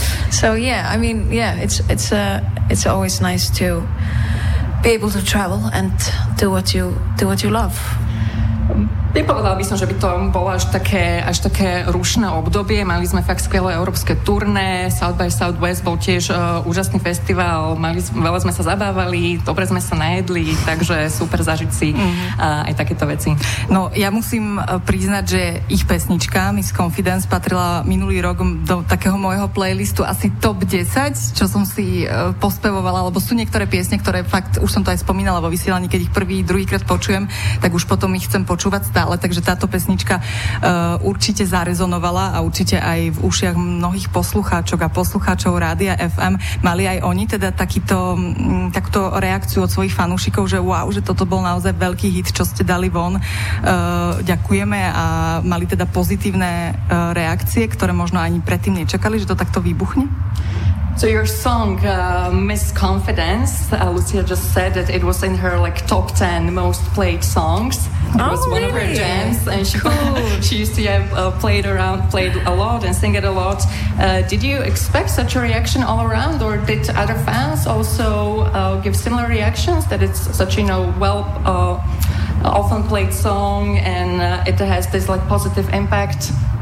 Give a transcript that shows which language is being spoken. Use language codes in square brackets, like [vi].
[en] So yeah, I mean, yeah, it's always nice to be able to travel and do what you love. [sk] Nepovedala by som, že by to bolo až také rušné obdobie. Mali sme fakt skvelé európske turné, South by Southwest bol tiež úžasný festival, veľa sme sa zabávali, dobre sme sa najedli, takže super zažiť si aj takéto veci. No, ja musím priznať, že ich pesnička Miss Confidence patrila minulý rok do takého môjho playlistu asi top 10, čo som si pospevovala, lebo sú niektoré piesne, ktoré fakt, už som to aj spomínala vo vysielaní, keď ich prvý, druhýkrát počujem, tak už potom ich chcem počúvať stále, takže táto pesnička určite zarezonovala a určite aj v ušiach mnohých poslucháčok a poslucháčov Rádia FM. Mali aj oni teda takúto reakciu od svojich fanúšikov, že wow, že toto bol naozaj veľký hit, čo ste dali von. Ďakujeme a mali teda pozitívne reakcie, ktoré možno ani predtým nečakali, že to takto vybuchne? [en] So your song, Miss Confidence, Lucia just said that it was in her like top 10 most played songs. It was really? One of her jams, and she cool. She used to played a lot and sing it a lot. Did you expect such a reaction all around, or did other fans also give similar reactions that it's such, you know, well often played song and it has this like positive impact?